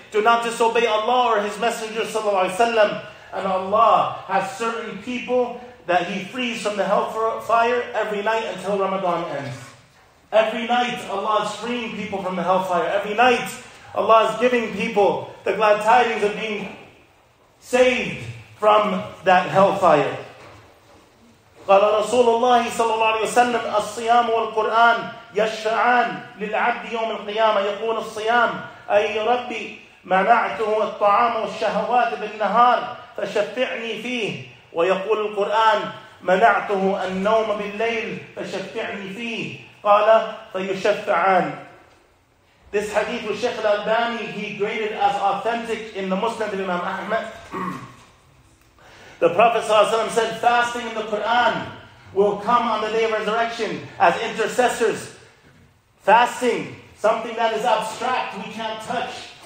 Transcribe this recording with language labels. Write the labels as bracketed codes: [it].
[en] Do not disobey Allah or His Messenger sallallahu alaihi wasallam. And Allah has certain people that He frees from the hellfire every night until Ramadan ends. Every night Allah is freeing people from the hellfire. Every night Allah is giving people the glad tidings of being saved from that hellfire. [ar] قال رسول الله صلى الله عليه وسلم الصيام والقرآن يشفعان للعبد يوم القيامة يقول الصيام أي ربي منعته الطعام والشهوات بالنهار فشفعني فيه ويقول القرآن منعته النوم بالليل فشفعني فيه قال فيشفعان. [en] This hadith of Sheikh al-Albani, he graded as authentic in the Muslim of Imam Ahmad. The Prophet ﷺ said, fasting in the Quran will come on the day of resurrection as intercessors. Fasting, something that is abstract, we can't touch.